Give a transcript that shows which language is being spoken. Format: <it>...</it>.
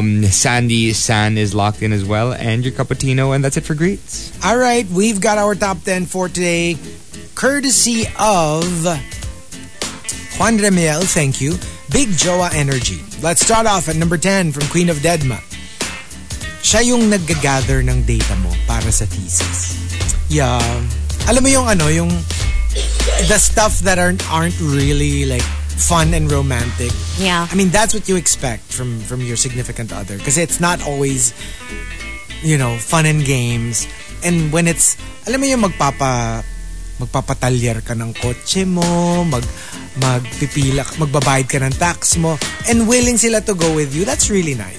<en>Sandy San is locked in as well, and your cappuccino, and that's it for greets. All right, we've got our top 10 for today, courtesy of Juan Remiel, thank you. Big Joa Energy. Let's start off at number 10 from Queen of Deadma.</en> <tl>Siya yung nag-gather ng data mo para sa thesis.</tl> <en>Yeah. Alam mo yung ano, yung the stuff that aren't really like fun and romantic. Yeah. I mean, that's what you expect from your significant other. Because it's not always, you know, fun and games.</en> <tl>And when it's, alam mo yung magpapatalyer ka ng kotse mo, magbabayad ka ng tax mo, and willing sila to go with you, that's really nice.</tl>